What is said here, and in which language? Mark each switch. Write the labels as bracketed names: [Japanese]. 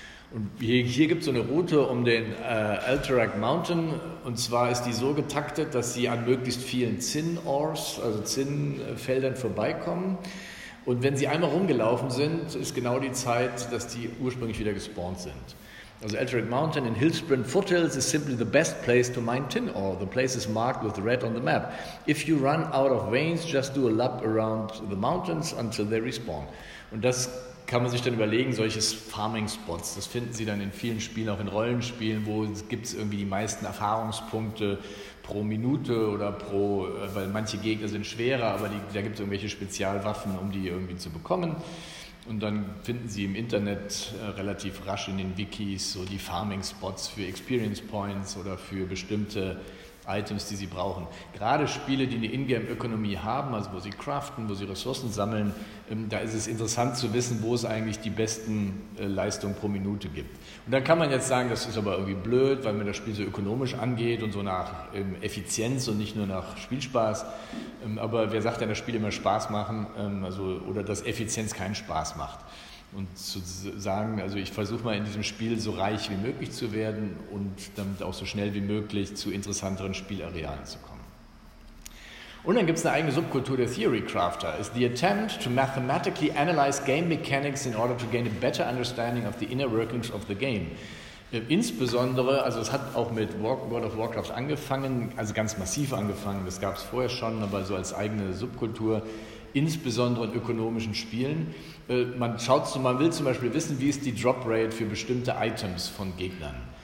[German] Und hier gibt es so eine Route um den Alterac Mountain und zwar ist die so getaktet, dass Sie an möglichst vielen Zinn-Ores, also Zinnfeldern vorbeikommen. Und wenn sie einmal rumgelaufen sind, ist genau die Zeit, dass die ursprünglich wieder gespawnt sind. [English] Also Alteric Mountain in Hillsprint Foothills is simply the best place to mine tin ore. The place is marked with red on the map. If you run out of veins, just do a lap around the mountains until they respawn. [German] Und das kann man sich dann überlegen, solche Farming Spots. Das finden Sie dann in vielen Spielen, auch in Rollenspielen, wo gibt es irgendwie die meisten Erfahrungspunkte pro Minute oder pro, weil manche Gegner sind schwerer, aber da gibt es irgendwelche Spezialwaffen, um die irgendwie zu bekommen. Und dann finden Sie im Internet relativ rasch in den Wikis so die Farming Spots für Experience Points oder für bestimmte Items, die Sie brauchen. Gerade Spiele, die eine Ingame-Ökonomie haben, also wo Sie craften, wo Sie Ressourcen sammeln, da ist es interessant zu wissen, wo es eigentlich die besten Leistungen pro Minute gibt. Und dann kann man jetzt sagen, das ist aber irgendwie blöd, weil mir das Spiel so ökonomisch angeht und so nach Effizienz und nicht nur nach Spielspaß. Aber wer sagt denn, dass Spiele immer Spaß machen, also, oder dass Effizienz keinen Spaß macht? Und zu sagen, also ich versuche mal in diesem Spiel so reich wie möglich zu werden und damit auch so schnell wie möglich zu interessanteren Spielarealen zu kommen. Und dann gibt es eine eigene Subkultur der Theory Crafter. [English] It's the attempt to mathematically analyze game mechanics in order to gain a better understanding of the inner workings of the game. [German] Insbesondere, also es hat auch mit World of Warcraft angefangen, also ganz massiv angefangen, das gab es vorher schon, aber so als eigene Subkultur, insbesondere in ökonomischen Spielen. Man will zum Beispiel wissen, wie ist die Drop-Rate für bestimmte Items von Gegnern.